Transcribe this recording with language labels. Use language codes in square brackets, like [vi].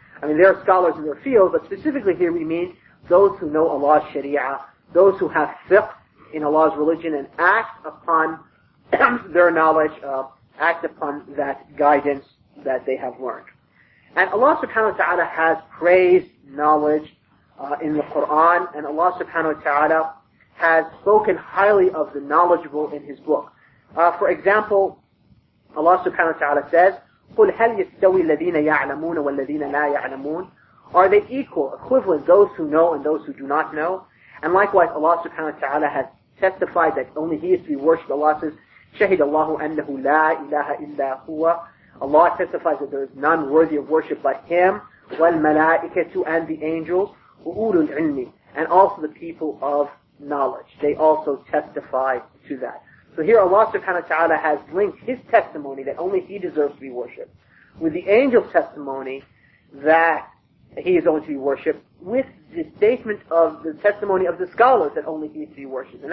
[en] I mean, they are scholars in their field, but specifically here we mean those who know Allah's sharia, those who have fiqh in Allah's religion and act upon their knowledge, act upon that guidance that they have learned. And Allah subhanahu wa ta'ala has praised knowledge in the Quran, and Allah subhanahu wa ta'ala has spoken highly of the knowledgeable in His book. For example, Allah subhanahu wa ta'ala says, [ar] قُلْ هَلْ يَسْتَوِي الَّذِينَ يَعْلَمُونَ وَالَّذِينَ لَا يَعْلَمُونَ. [en] Are they equal, equivalent, those who know and those who do not know? And likewise, Allah subhanahu wa ta'ala has testified that only He is to be worshipped. Allah says, [ar] شَهِدَ اللَّهُ أَنَّهُ لَا إِلَهَ إِلَّا هُوَ. [en] Allah testifies that there is none worthy of worship but Him, [ar] وَالْمَلَائِكَةُ [en] and the angels, [ar] وَأُولُ الْعِلْمِ, [en] and also the people of knowledge. They also testify to that. So here Allah subhanahu wa ta'ala has linked His testimony that only He deserves to be worshipped with the angel's testimony that He is only to be worshipped, with the statement of the testimony of the scholars that only He is to be worshipped.